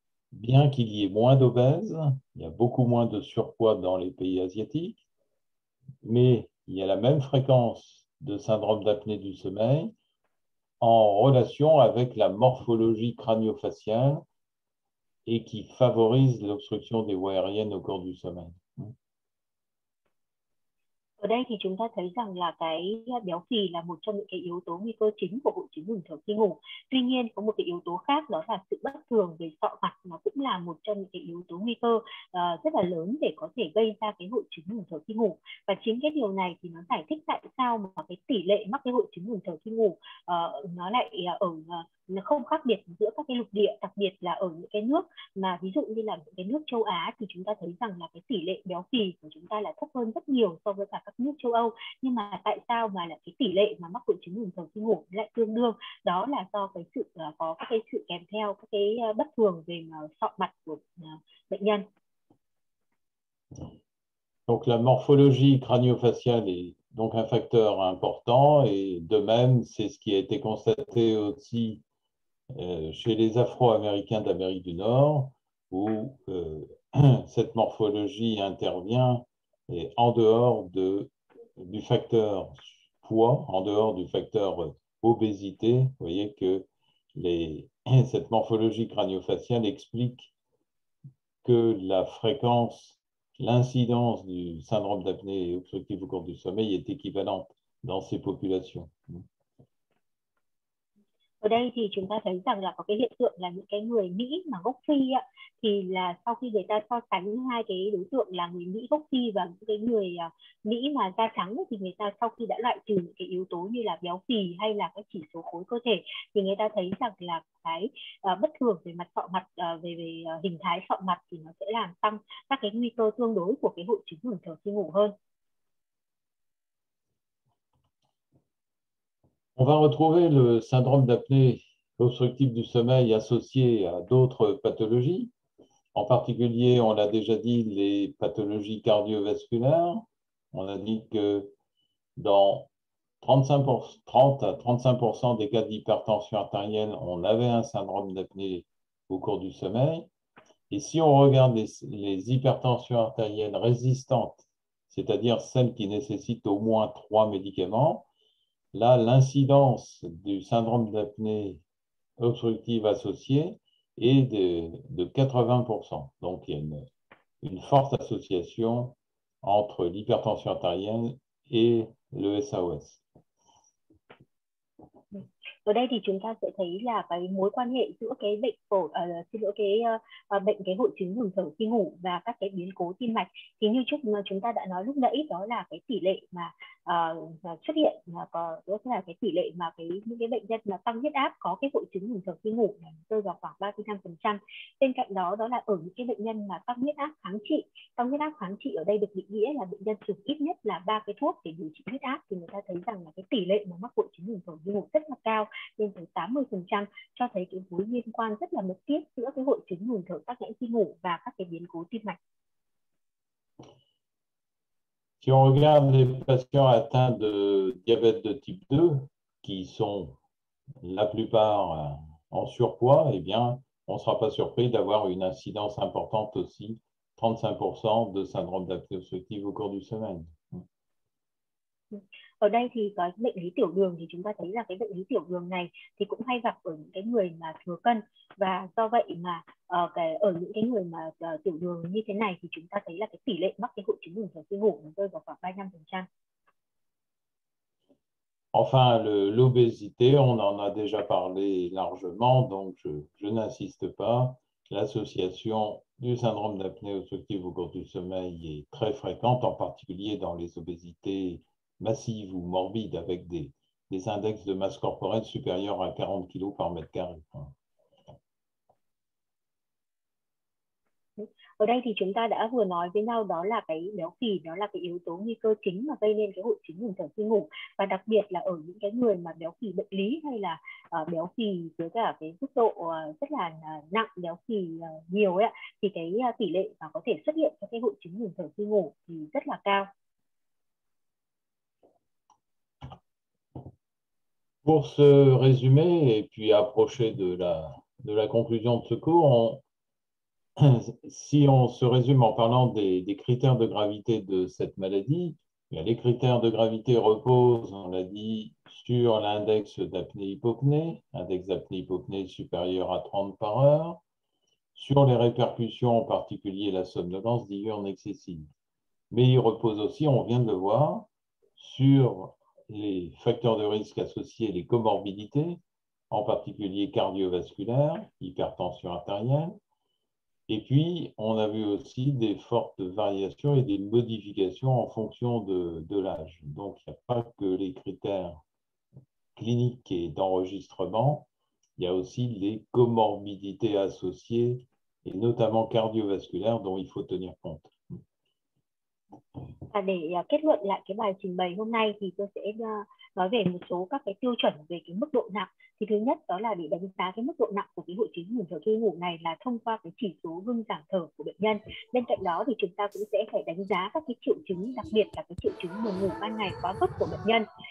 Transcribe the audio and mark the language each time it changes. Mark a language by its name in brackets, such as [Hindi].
[French] Bien qu'il y ait moins d'obèses, il y a beaucoup moins de surpoids dans les pays asiatiques, mais il y a la même fréquence de syndrome d'apnée du sommeil en relation avec la morphologie crânio-faciale et qui favorise l'obstruction des voies aériennes au cours du sommeil. [Vietnamese] Ở đây thì chúng ta thấy rằng là cái béo phì là một trong những cái yếu tố nguy cơ chính của hội chứng ngừng thở khi ngủ. Tuy nhiên có một cái yếu tố khác đó là sự bất thường về sọ mặt, nó cũng là một trong những cái yếu tố nguy cơ rất là lớn để có thể gây ra cái hội chứng ngừng thở khi ngủ. Và chính cái điều này thì nó giải thích tại sao mà cái tỷ lệ mắc cái hội chứng ngừng thở khi ngủ nó lại ở nó không khác biệt giữa các cái lục địa, đặc biệt là ở những cái nước mà ví dụ như là những cái nước châu Á thì chúng ta thấy rằng là cái tỷ lệ béo phì của chúng ta là thấp hơn rất nhiều so với cả các nước châu Âu, nhưng mà tại sao mà là cái tỷ lệ mà mắc hội chứng ngừng thở khi ngủ lại tương đương? Đó là do cái sự có các cái sự kèm theo các cái bất thường về sọ mặt của bệnh nhân. [French] Donc la morphologie crânio-faciale donc un facteur important. Et de même, c'est ce qui a été constaté aussi chez les Afro-Américains d'Amérique du Nord, où cette morphologie intervient et en dehors du facteur poids, en dehors du facteur obésité. Vous voyez que cette morphologie crânio-faciale explique que la fréquence, l'incidence du syndrome d'apnée obstructive au cours du sommeil est équivalente dans ces populations. [Vietnamese] Ở đây thì chúng ta thấy rằng là có cái hiện tượng là những cái người Mỹ mà gốc Phi ạ, thì là sau khi người ta so sánh hai cái đối tượng là người Mỹ gốc Phi và những cái người Mỹ mà da trắng, thì người ta sau khi đã loại trừ những cái yếu tố như là béo phì hay là các chỉ số khối cơ thể, thì người ta thấy rằng là cái bất thường về mặt sọ mặt, về hình thái sọ mặt thì nó sẽ làm tăng các cái nguy cơ tương đối của cái hội chứng ngừng thở khi ngủ hơn. [French] On va retrouver le syndrome d'apnée obstructive du sommeil associé à d'autres pathologies. En particulier, on l'a déjà dit, les pathologies cardiovasculaires. On a dit que dans 30 à 35% des cas d'hypertension artérielle, on avait un syndrome d'apnée au cours du sommeil. Et si on regarde les hypertensions artérielles résistantes, c'est-à-dire celles qui nécessitent au moins 3 médicaments, là, l'incidence du syndrome d'apnée obstructive associée est de 80%. Donc, il y a une forte association entre l'hypertension artérielle et le SAOS. [Vietnamese] Ở đây thì chúng ta sẽ thấy là cái mối quan hệ giữa cái bệnh cái hội chứng ngừng thở khi ngủ và các cái biến cố tim mạch. Thì như trước chúng ta đã nói lúc nãy, đó là cái tỷ lệ mà xuất hiện là cái tỷ lệ mà những cái bệnh nhân mà tăng huyết áp có cái hội chứng ngừng thở khi ngủ rơi vào khoảng 35%. Bên cạnh đó là ở những cái bệnh nhân mà tăng huyết áp kháng trị. Tăng huyết áp kháng trị ở đây được định nghĩa là bệnh nhân dùng ít nhất là 3 cái thuốc để điều trị huyết áp, thì người ta thấy rằng là cái tỷ lệ mà mắc hội chứng ngừng thở khi ngủ rất là cao, lên tới 80%, cho thấy cái mối liên quan rất là mật thiết giữa cái hội chứng ngừng thở tắc nghẽn khi ngủ và các cái biến cố tim mạch. [French] Si on regarde les patients atteints de diabète de type 2, qui sont la plupart en surpoids, eh bien, on ne sera pas surpris d'avoir une incidence importante aussi, 35% de syndrome d'apnée obstructive au cours du sommeil. [Vietnamese] Ở đây thì có bệnh lý tiểu đường, thì chúng ta thấy là cái bệnh lý tiểu đường này thì cũng hay gặp ở những cái người mà thừa cân, và do vậy mà ở những cái người mà tiểu đường như thế này thì chúng ta thấy là cái tỷ lệ mắc cái hội chứng ngừng thở khi ngủ nó rơi vào khoảng 35%. [French] Enfin, l'obésité, on en a déjà parlé largement, donc je n'insiste pas. L'association du syndrome d'apnée obstructive au cours du sommeil est très fréquente, en particulier dans les obésités massive ou morbide, avec des index de masse corporelle supérieurs à 40 kg par mètre carré. [Vietnamese] Ở đây thì chúng ta đã vừa nói với nhau, đó là cái béo phì, đó là cái yếu tố nguy cơ chính mà gây nên cái hội chứng ngừng thở khi ngủ, và đặc biệt là ở những cái người mà béo phì bệnh lý hay là béo phì với cả cái mức độ rất là nặng, béo phì nhiều ấy, thì cái tỷ lệ mà có thể xuất hiện cho cái hội chứng ngừng thở khi ngủ thì rất là cao. [French] Pour se résumer et puis approcher de la conclusion de ce cours, si on se résume en parlant des critères de gravité de cette maladie, les critères de gravité reposent, on l'a dit, sur l'index d'apnée hypopnée, index d'apnée hypopnée supérieur à 30 par heure, sur les répercussions, en particulier la somnolence diurne excessive. Mais il repose aussi, on vient de le voir, sur les facteurs de risque associés, les comorbidités, en particulier cardiovasculaires, hypertension artérielle. Et puis, on a vu aussi des fortes variations et des modifications en fonction de l'âge. Donc, il n'y a pas que les critères cliniques et d'enregistrement, il y a aussi les comorbidités associées, et notamment cardiovasculaires, dont il faut tenir compte. [Vietnamese] Và để kết luận lại cái bài trình bày hôm nay, thì tôi sẽ nói về một số các cái tiêu chuẩn về cái mức độ nặng. Thì thứ nhất đó là để đánh giá cái mức độ nặng của cái hội chứng ngừng thở khi ngủ này là thông qua cái chỉ số ngưng giảm thở của bệnh nhân. Bên cạnh đó thì chúng ta cũng sẽ phải đánh giá các cái triệu chứng, đặc biệt là cái triệu chứng buồn ngủ ban ngày quá mức của bệnh nhân.